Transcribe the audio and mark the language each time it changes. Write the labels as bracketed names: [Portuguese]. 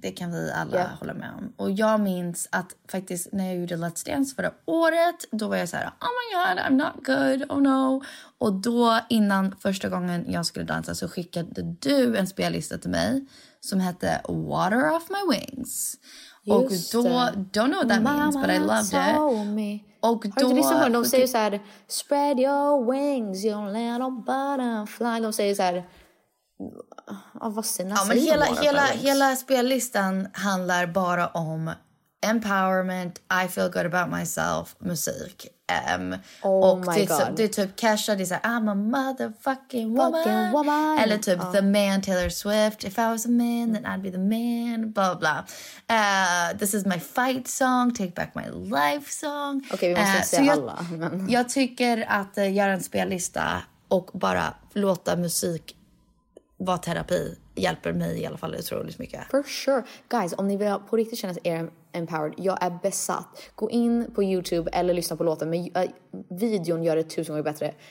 [Swedish] Det kan vi alla hålla med om. Och jag minns att faktiskt när jag gjorde Let's Dance förra året, då var jag så här, [English] oh my god, I'm not good, oh no. [Swedish] Och då innan första gången jag skulle dansa, så skickade du en spellista till mig som hette Water Off My Wings. Just och då, [English] don't know what that means, but I loved it. [Swedish] Och då, har du inte lyssnat på dem? De säger så här, [English] spread your wings, your little butterfly. [Swedish] De säger så här, men hela spellistan handlar bara om empowerment, [English] I feel good about myself, [Swedish] musik. Det är typ Kesha, det är såhär, [English] I'm a motherfucking woman. [Swedish] Eller typ The Man, Taylor Swift. [English] If I was a man, then I'd be the man. Blah, blah. This is my fight song, take back my life song. [Swedish] Okej, vi måste inte säga alla. Jag tycker att göra en spellista och bara låta musik vad terapi hjälper mig i alla fall otroligt mycket. [English] For sure. [Swedish] Guys, om ni vill på riktigt känna er empowered, jag är besatt. Gå in på YouTube eller lyssna på låten. Men videon gör det 1000 gånger bättre.